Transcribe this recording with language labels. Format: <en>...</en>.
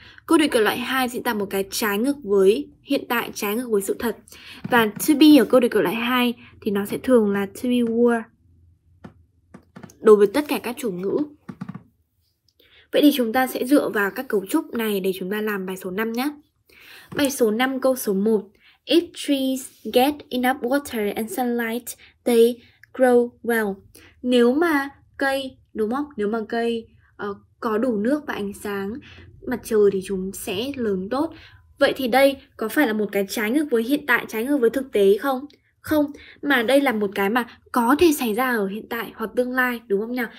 <vi>Câu điều kiện loại 2 diễn tả một cái trái ngược với hiện tại, trái ngược với sự thật. Và to be ở câu điều kiện loại 2 thì nó sẽ thường là to be were đối với tất cả các chủ ngữ. Vậy thì chúng ta sẽ dựa vào các cấu trúc này để chúng ta làm bài số 5 nhé. Bài số 5 câu số 1.</vi> <en>If trees get enough water and sunlight, they grow well.</en> <vi>Nếu mà cây, đúng không? Nếu mà cây có đủ nước và ánh sáng mặt trời thì chúng sẽ lớn tốt. Vậy thì đây có phải là một cái trái ngược với hiện tại, trái ngược với thực tế không? Không, mà đây là một cái mà có thể xảy ra ở hiện tại hoặc tương lai, đúng không nhỉ?</vi>